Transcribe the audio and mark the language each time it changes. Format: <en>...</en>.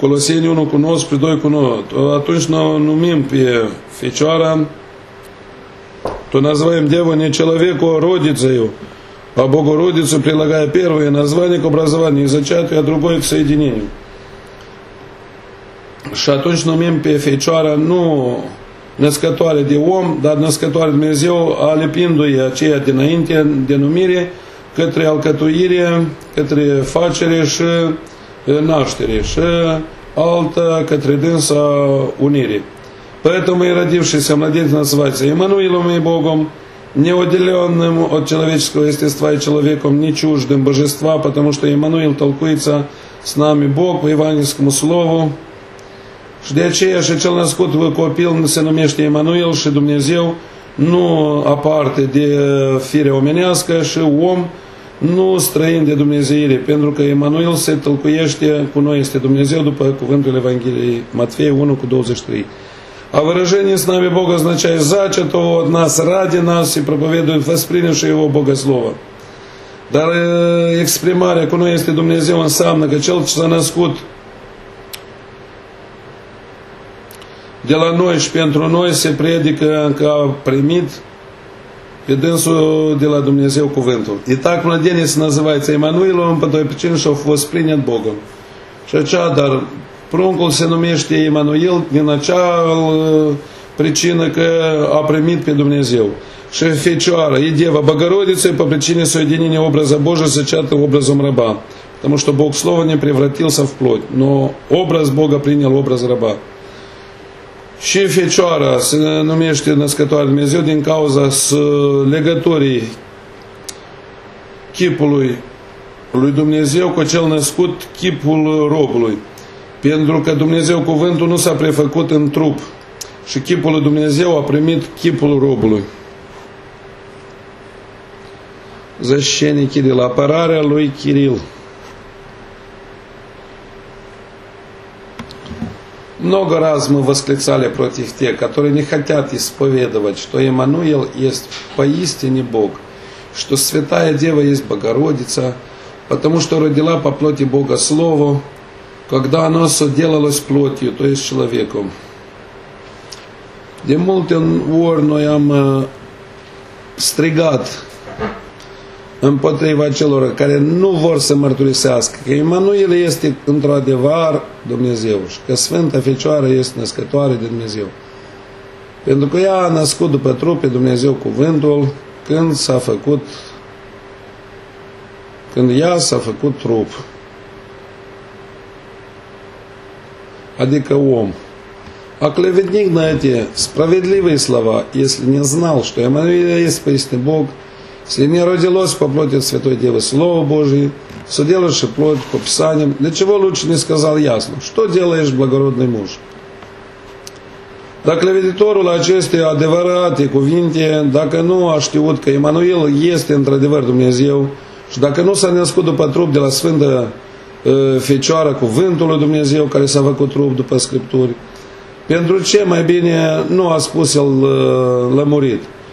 <ro>Coloseni 1 cu 9 spre 2 cu 9. Atunci ne numim pe Fecioara,</ro> <ru>то называем Деву не человеку, а родицею, а Богородицу, прилагая первое название к образованию и зачатию, а другое к соединению.</ru> <ro>Și atunci numim pe Fecioara nu născătoare de om, dar născătoare de Dumnezeu, alipindu-i aceea dinainte de numire către alcătuire, către facere și naștere, și altă către dânsa unire.</ro> <ru>Поэтому и родившийся младенец называется Иммануилом и Богом, неотделенным от человеческого естества и человеком, не чуждым божества, потому что Иммануил толкуется с нами Бог по евангельскому слову.</ru> <ro>De aceea și cel născut copil se numește Emanuel și Dumnezeu, nu aparte de fire omenească și om, nu străin de dumnezeire, pentru că Emanuel se tălcuiește cu noi, este Dumnezeu, după cuvântul Evangheliei Matfei 1 cu 23.</ro> <ru>A выражение с нами Бога означает зачато от нас, ради нас и проповедует воспринявши его богослово.</ru> <ro>Dar exprimarea cu noi este Dumnezeu înseamnă că cel ce s-a născut de la noi și pentru noi se predică că a primit pe dânsul de la Dumnezeu cuvântul.</ro> <ru>И так младенец называется Иммануилом, по той причине, что вос принят Богом.</ru> <ro>Și acea, dar pruncul se numește Иммануил din acea причина, că a primit pe Dumnezeu. Și Fecioară,</ro> <ru>и Дева Богородица, по причине соединения образа Божия, зачата образом раба. Потому что Бог Слово не превратился в плоть, но образ Бога принял образ раба.</ru> <ro>Și Fecioara se numește născătoare de Dumnezeu din cauza legăturii chipului lui Dumnezeu cu cel născut chipul robului. Pentru că Dumnezeu cuvântul nu s-a prefăcut în trup și chipul lui Dumnezeu a primit chipul robului. Zășenii Chiril, apărarea lui Chiril.</ro> <ru>Много раз мы восклицали против тех, которые не хотят исповедовать, что Иммануил есть поистине Бог, что Святая Дева есть Богородица, потому что родила по плоти Бога Слово, когда оно соделалось плотью, то есть человеком.</ru> <ro>De multe ori noi am strigat împotriva celor care nu vor să mărturisească că Emanuel este într-adevăr Dumnezeu și că Sfânta Fecioară este născătoare de Dumnezeu. Pentru că ea a născut după trup pe Dumnezeu cuvântul când s-a făcut, când ea s-a făcut trup. Adică om.</ro> <ru>А клеветник на эти справедливые слова, если не знал, что Иммануил есть поистине Бог, если не родилось по плоти Святой Девы Слово Божие, соделавши плоть по Писаниям, для чего лучше не сказал ясно, что делаешь, благородный муж?</ru> <ro>Dacă clevetitorul acestei adevărate cuvinte, dacă nu a știut că Иммануил este într-adevăr Dumnezeu și dacă nu s-a născut după trup de la Sfântă Fecioară cuvântul lui Dumnezeu care s-a făcut trup după Scripturi, pentru ce mai bine nu a spus el lămurit?</ro>